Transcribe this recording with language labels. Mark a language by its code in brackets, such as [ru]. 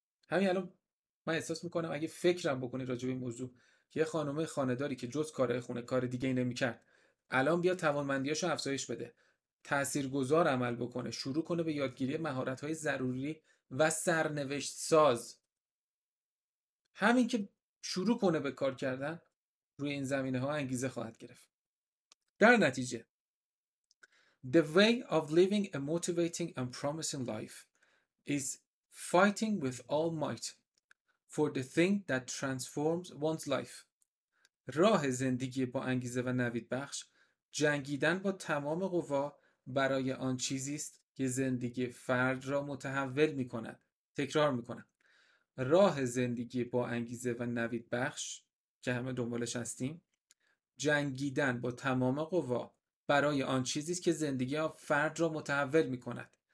[fa] همین الان من احساس می‌کنم اگه فکرم بکنی راجع به موضوع یه خانم خانه‌داری که جز کارهای خونه کار دیگه‌ای نمی‌کرد، الان بیا توانمندی‌هاشو افزایش بده، تاثیرگذار عمل بکنه، شروع کنه به یادگیری مهارت‌های ضروری و سرنوشت ساز، همین که شروع کنه به کار کردن روی این زمینه‌ها انگیزه خواهد گرفت. [en] در نتیجه The way of living a motivating and promising life is fighting with all might for the thing that transforms one's life. [fa] راه زندگی با انگیزه و نوید بخش، جنگیدن با تمام قوا برای آن چیزی است که زندگی فرد را متحول می‌کند. تکرار می‌کنم. راه زندگی با انگیزه و نوید بخش که همه دنبالش هستیم، جنگیدن با تمام قوا برای آن چیزی است که زندگی فرد را متحول می‌کند.